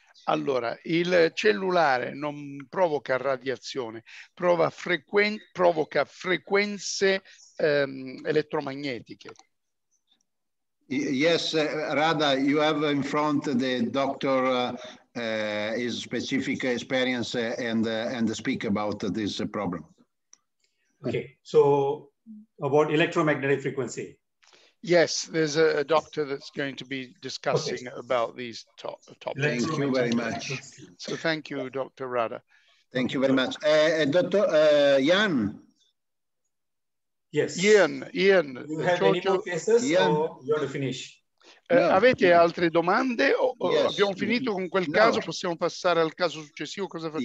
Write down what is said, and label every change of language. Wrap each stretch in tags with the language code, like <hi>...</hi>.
<it>Allora, il cellulare non provoca radiazione, provoca frequenze elettromagnetiche.</it> <en>Yes, Radha, you have in front the doctor, his specific experience and speak about this problem. Okay, so about electromagnetic frequency. Yes, there's a doctor that's going to be discussing about these topics. Thank you very much. So thank you, Dr. Radha. Thank you very much. Dr. Jan? Yes. Ian, you have any more cases or you're to finish?</en> <it>Avete altre domande?</it> <en>Yes.</en> <it>Abbiamo finito con quel caso, possiamo passare al caso successivo, cosa facciamo?</it>